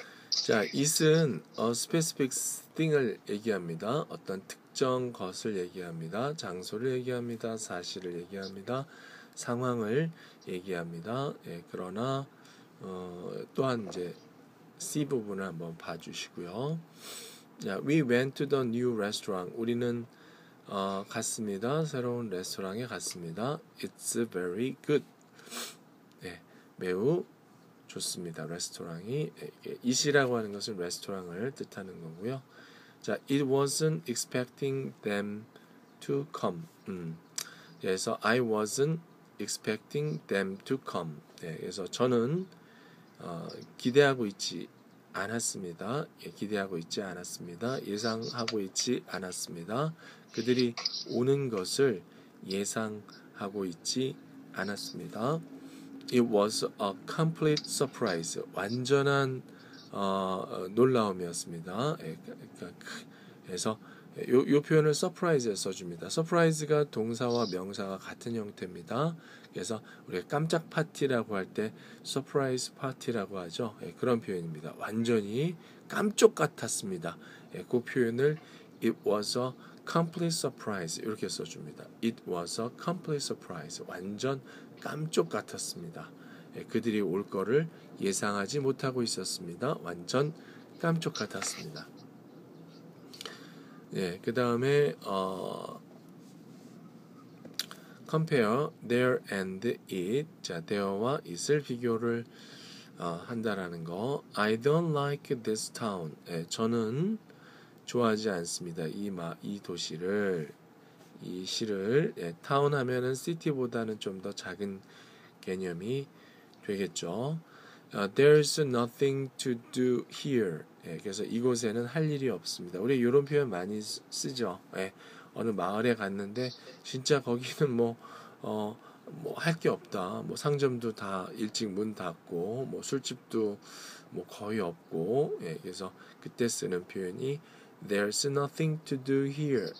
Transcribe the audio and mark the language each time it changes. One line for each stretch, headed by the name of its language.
Korean: 자, it은
English: a specific thing
Korean: 을 얘기합니다. 어떤 특정 것을 얘기합니다. 장소를 얘기합니다. 사실을 얘기합니다. 상황을 얘기합니다. 예, 그러나 또한 이제 C 부분을 한번 봐주시고요.
English: Yeah, we went to the new restaurant.
Korean: 우리는 갔습니다. 새로운 레스토랑에 갔습니다.
English: It's very good.
Korean: 네, 매우 좋습니다. 레스토랑이 it이라고 하는 것은 레스토랑을 뜻하는 거고요. 자,
English: it wasn't expecting them to come.
Korean: 그래서
English: I wasn't expecting them to come.
Korean: 네, 그래서 저는 기대하고 있지 않았습니다. 예, 기대하고 있지 않았습니다. 예상하고 있지 않았습니다. 그들이 오는 것을 예상하고 있지 않았습니다.
English: It was a complete surprise.
Korean: 완전한 놀라움이었습니다. 예, 그래서 요 표현을 surprise에 써줍니다. surprise가 동사와 명사가 같은 형태입니다. 그래서 우리가 깜짝 파티라고 할 때 surprise 파티라고 하죠. 예, 그런 표현입니다. 완전히 깜쪽 같았습니다. 예, 그 표현을
English: it was a complete surprise
Korean: 이렇게 써줍니다.
English: It was a complete surprise.
Korean: 완전 깜쪽 같았습니다. 예, 그들이 올 거를 예상하지 못하고 있었습니다. 완전 깜쪽 같았습니다. 예, 그 다음에
English: compare there and it.
Korean: 자, there와 it을 비교를 한다라는 거.
English: I don't like this town.
Korean: 예, 저는 좋아하지 않습니다. 이 도시를, 이 시를. 예, town 하면은 city보다는 좀 더 작은 개념이 되겠죠.
English: There's nothing to do here.
Korean: 예, 그래서 이곳에는 할 일이 없습니다. 우리 이런 표현 많이 쓰죠. 예, 어느 마을에 갔는데 진짜 거기는 뭐 할 게 없다. 뭐 상점도 다 일찍 문 닫고, 뭐 술집도 뭐 거의 없고. 예, 그래서 그때 쓰는 표현이
English: There's nothing to do here.